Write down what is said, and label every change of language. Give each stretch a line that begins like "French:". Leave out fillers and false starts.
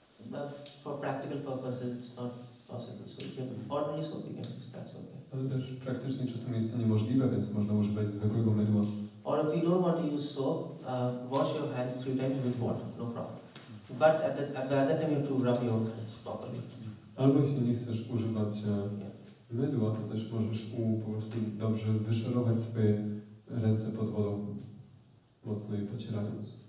English: But for practical purposes, it's not possible. So, if you have ordinary soap, you can use that soap.
Polish: Ale też praktycznie czasami jest to niemożliwe, więc można używać zwykłego mydła.
English: Or if you don't want to use soap, wash your hands three times with water, no problem. But at the other time you have to rub your hands properly.
Polish: Albo jeśli nie chcesz używać mydła, to też możesz po prostu dobrze wyszorować swoje ręce pod wodą, mocno je pocierając.